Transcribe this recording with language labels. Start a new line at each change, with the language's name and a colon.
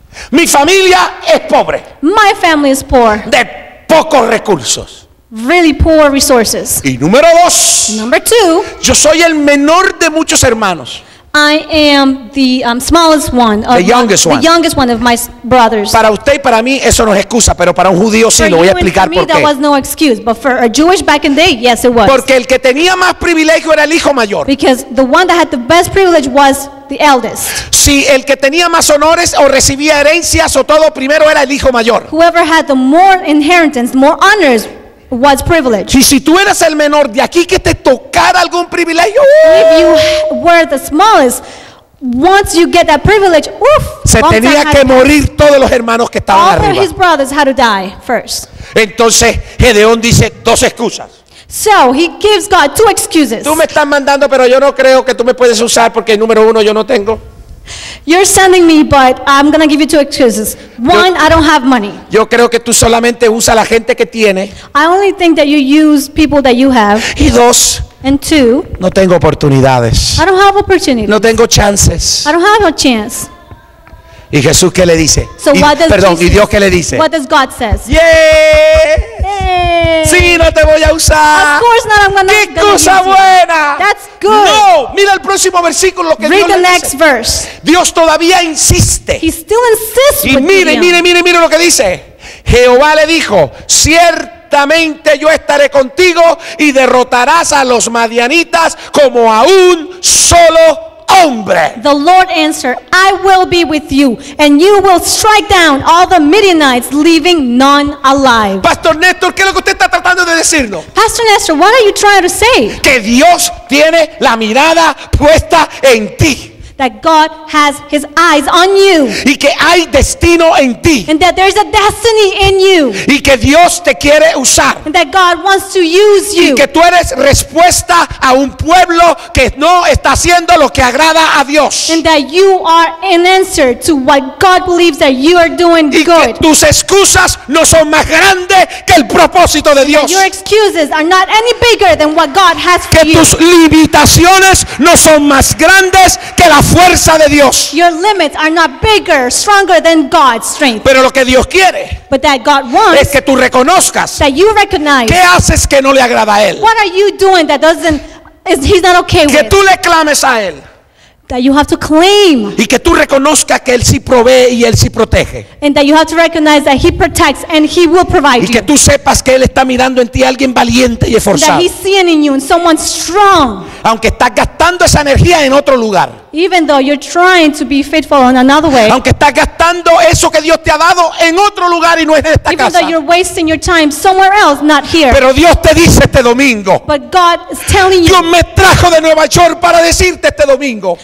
Spanish: Mi familia es pobre.
English: My family is poor.
Spanish: De pocos recursos.
English: Really poor resources.
Spanish: Y número dos.
English: Number two.
Spanish: Yo soy el menor de muchos hermanos.
English: I am the smallest one of the youngest one of my brothers.
Spanish: Para usted y para mí eso no es excusa, pero para un judío sí, lo voy a explicar por qué.
English: That was no excuse, but for a Jewish back in the day, yes it was.
Spanish: Porque el que tenía más privilegio era el hijo mayor.
English: Because the one that had the best privilege was the eldest.
Spanish: Si el que tenía más honores o recibía herencias o todo primero era el hijo mayor.
English: Whoever had the more inheritance, more honors, was privileged.
Spanish: Y si tú eras el menor de aquí que te tocara algún privilegio,
English: if you were the smallest, once you get that privilege, oof,
Spanish: se tenía que morir todos los hermanos que estaban arriba.
English: All his brothers had to die first.
Spanish: Entonces Gedeón dice dos excusas.
English: So he gives God two excuses.
Spanish: Tú me estás mandando, pero yo no creo que tú me puedes usar porque número uno yo no tengo.
English: You're sending me, but I'm gonna give you two excuses. One, I don't have money.
Spanish: Yo creo que tú solamente usas la gente que tiene.
English: I only think that you use people that you have.
Spanish: Y dos,
English: and two,
Spanish: no tengo oportunidades.
English: I don't have opportunities.
Spanish: No tengo chances.
English: I don't have a chance.
Spanish: ¿Y Jesús qué le dice?
English: So
Spanish: y,
English: what does
Spanish: perdón,
English: Jesus,
Spanish: ¿y Dios qué le dice?
English: What does God say? Yes. Yes.
Spanish: Sí, no te voy a usar.
English: Of course not, I'm gonna
Spanish: ¡qué cosa buena!
English: That's good.
Spanish: No, mira el próximo versículo que
English: read
Spanish: Dios
English: the
Spanish: le
English: next
Spanish: dice.
English: Verse.
Spanish: Dios todavía insiste.
English: He still insists.
Spanish: Y mire, mire, mire, mire lo que dice. Jehová le dijo, ciertamente yo estaré contigo y derrotarás a los madianitas como a un solo hombre.
English: The Lord answered, I will be with you, and you will strike down all the Midianites, leaving none alive.
Spanish: Pastor Néstor, ¿qué es lo que usted está tratando de decirnos?
English: Pastor Néstor, what are you trying to say?
Spanish: Que Dios tiene la mirada puesta en ti.
English: That God has his eyes on you.
Spanish: Y que hay destino en ti.
English: And that there's a destiny in you.
Spanish: Y que Dios te quiere usar.
English: And that God wants to use you.
Spanish: Y que tú eres respuesta a un pueblo que no está haciendo lo que agrada a Dios.
English: And that you are an answer to what God believes that you are doing
Spanish: y
English: good.
Spanish: Y que tus excusas no son más grandes que el propósito de Dios.
English: And your excuses are not any bigger than what God has for
Spanish: que Que tus limitaciones no son más grandes que la fuerza de Dios.
English: Your limits are not bigger, stronger than God's strength.
Spanish: Pero lo que Dios quiere,
English: but that God wants,
Spanish: es que tú reconozcas,
English: that you recognize,
Spanish: qué haces que no le agrada a él.
English: What are you doing that doesn't is he's not okay
Spanish: que
English: with?
Spanish: Que tú le clames a él.
English: That you have to claim.
Spanish: Y que tú reconozcas que él sí provee y él sí protege.
English: And that you have to recognize that he protects and he will provide you.
Spanish: Y que tú sepas que él está mirando en ti a alguien valiente y esforzado.
English: That he's seeing in you and someone strong.
Spanish: Aunque estás gastando esa energía en otro lugar.
English: Even though you're trying to be faithful in another way.
Spanish: Aunque estás gastando eso que Dios te ha dado en otro lugar y no es en esta
English: even
Spanish: casa.
English: Even though you're wasting your time somewhere else, not here.
Spanish: Pero Dios te dice este domingo.
English: But God is telling you.
Spanish: Dios me trajo de Nueva York para decirte este domingo.